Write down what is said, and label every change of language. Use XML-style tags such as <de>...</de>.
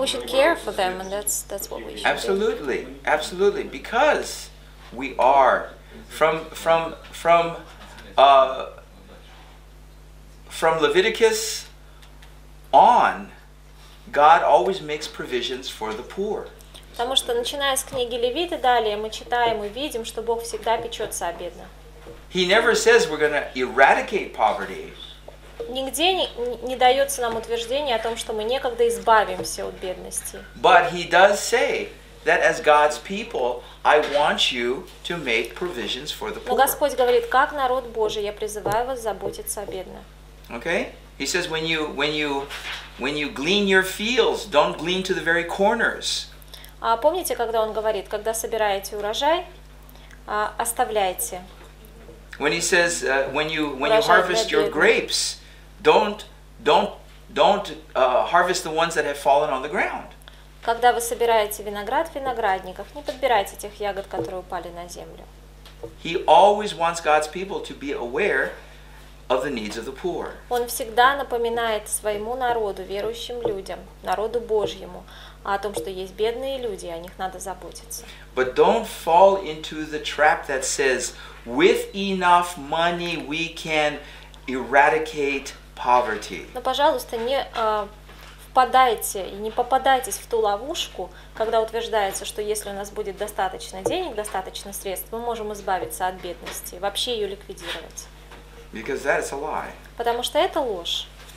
<en>we should care for them, and that's what we should. Absolutely, do. Absolutely, because we are from Leviticus on, God always makes provisions for the poor.</en> <ru>Потому что начиная с книги Левиты далее мы читаем и видим, что Бог всегда печется о бедных.</ru> <en>He never says we're going to eradicate poverty.</en> <ru>Нигде не дается нам утверждение о том, что мы некогда избавимся от бедности.</ru> <en>But he does say that as God's people, I want you to make provisions for the poor.</en> <ru>Но Господь говорит, как народ Божий, я призываю вас заботиться о бедных.</ru> <en>Okay? He says, when you glean your fields, don't glean to the very corners.</en> <ru>А помните, когда он говорит, когда собираете урожай, оставляйте.</ru> <en>When he says, when you harvest your grapes, don't harvest the ones that have fallen on the ground.</en> <ru>Когда вы собираете виноград в виноградниках, не подбирайте тех ягод, которые упали на землю.</ru> <en>He always wants God's people to be aware of the needs of the poor.</en> <ru>Он всегда напоминает своему народу, верующим людям, народу Божьему, о том, что есть бедные люди, о них надо заботиться.</ru> <en>But don't fall into the trap that says, with enough money we can eradicate poverty.</en> <ru>Но, пожалуйста, не впадайте и не попадайтесь в ту ловушку, когда утверждается, что если у нас будет достаточно денег, достаточно средств, мы можем избавиться от бедности, вообще ее ликвидировать.</ru> <en>Because that is a lie.</en> <ru>Потому что это ложь.</ru>